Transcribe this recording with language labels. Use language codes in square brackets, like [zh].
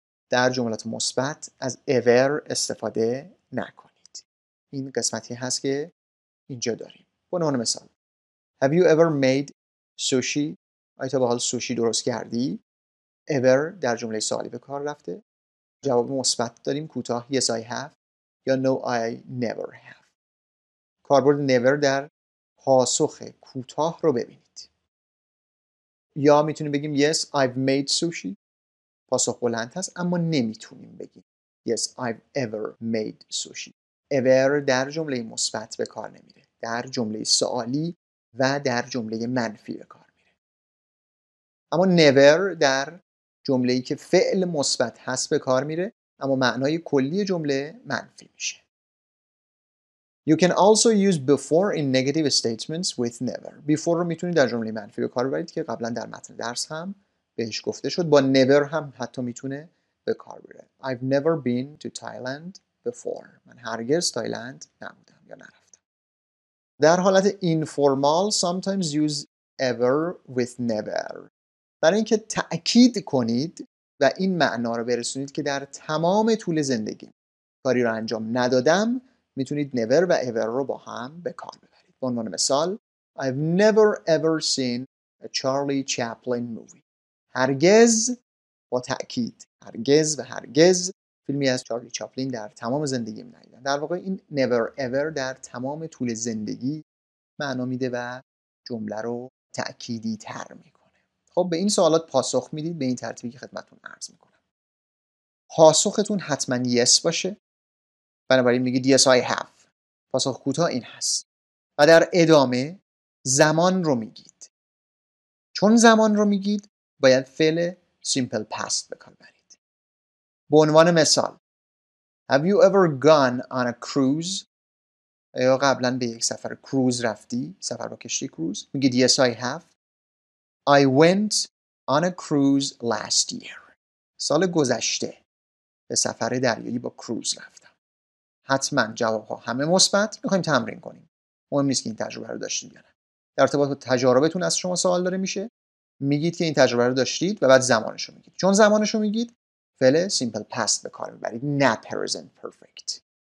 [fa] در جملات مثبت از ever استفاده نکنید. این قسمتی هست که اینجا داریم. به عنوان مثال [en] Have you ever made sushi؟ [fa] آیا تا به حال سوشی درست کردی؟ ever در جمله سوالی به کار رفته. جواب مثبت داریم کوتاه [en] Yes I have یا No I never have. [fa] کاربرد never در پاسخ کوتاه رو ببینید. یا میتونیم بگیم [en] Yes, I've made sushi. [fa] پاسخ بلند هست، اما نمیتونیم بگیم [en] Yes, I've ever made sushi. [fa] ever در جمله مثبت به کار نمیره. در جمله سوالی و در جمله منفی به کار میره. اما never در جمله‌ای که فعل مثبت هست به کار میره، اما معنای کلی جمله منفی میشه. [en] You can also use before in negative statements with never. [fa] Before رو میتونید در جمله منفی به کار ببرید که قبلا در متن درس هم بهش گفته شد. با never هم حتی میتونه به کار بره. [en] I've never been to Thailand before. [fa] من هرگز تایلند نبودم یا نرفتم. در حالت [en] informal sometimes use ever with never. [fa] برای اینکه تأکید کنید و این معنا رو برسونید که در تمام طول زندگی کاری رو انجام ندادم، میتونید never و ever رو با هم به کار ببرید. به عنوان مثال، [en] I've never ever seen a Charlie Chaplin movie. [fa] هرگز با تأکید، هرگز و هرگز فیلمی از چارلی چاپلین در تمام زندگیم ندیدم. در واقع این never ever در تمام طول زندگی معنا میده و جمله رو تأکیدی تر میکنه. خب به این سوالات پاسخ میدید به این ترتیبی که خدمتتون عرض میکنم. پاسختون حتما yes باشه. بنابراین میگید [en] yes I have. [fa] پاسخ کوتاه این هست. و در ادامه زمان رو میگید. چون زمان رو میگید باید فعل simple past به کار برید. به عنوان مثال [en] Have you ever gone on a cruise؟ [fa] یا قبلا به یک سفر کروز رفتی؟ سفر با کشتی کروز؟ میگید [en] yes I have. I went on a cruise last year. [fa] سال گذشته به سفر دریایی با کروز رفتم. حتما جوابها همه مثبت. میخوایم تمرین کنیم. مهم نیست که این تجربه رو داشتید یا نه. در ارتباط با تجربتون از شما سوال داره میشه. میگید که این تجربه رو داشتید و بعد زمانش رو میگید. چون زمانش رو میگید فعل simple past به کار میبرید، نه present perfect.